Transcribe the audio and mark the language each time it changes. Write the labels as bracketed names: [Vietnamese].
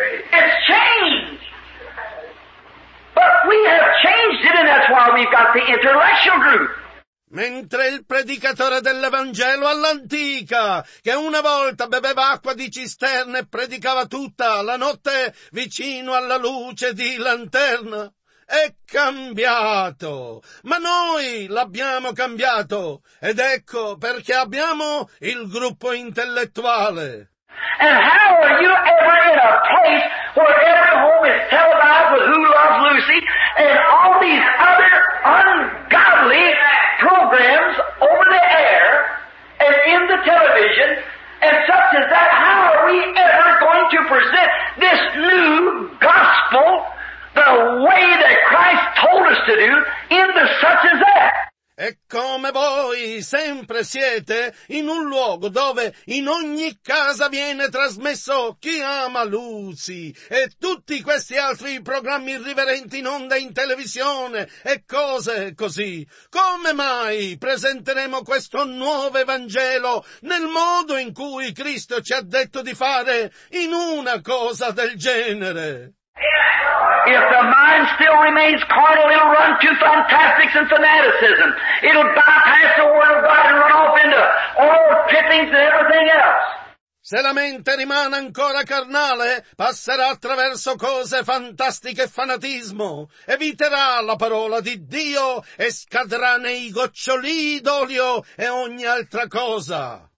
[English] It's changed. But we have changed it, and that's why we've got the intellectual group. [Italian] Mentre il predicatore dell'Evangelo all'antica, che una volta beveva acqua di cisterna e predicava tutta la notte vicino alla luce di lanterna, è cambiato, ma noi l'abbiamo cambiato, ed ecco perché abbiamo il gruppo intellettuale. [English] And how are you ever in a place where every home is televised with Who Loves Lucy and all these other ungodly programs over the air and in the television and such as that? How are we ever going to present this new gospel? The way that Christ told us to do in the such as that. [Italian] E come voi sempre siete in un luogo dove in ogni casa viene trasmesso Chi ama Lucy e tutti questi altri programmi irriverenti in onda in televisione e cose così. Come mai presenteremo questo nuovo Evangelo nel modo in cui Cristo ci ha detto di fare in una cosa del genere? [English] If the mind still remains carnal, it'll run to fantastics and fanaticism. It'll bypass the Word of God and run off into all pithings and everything else. [Italian] Se la mente rimane ancora carnale, passerà attraverso cose fantastiche e fanatismo. Eviterà la parola di Dio e scadrà nei goccioli d'olio e ogni altra cosa.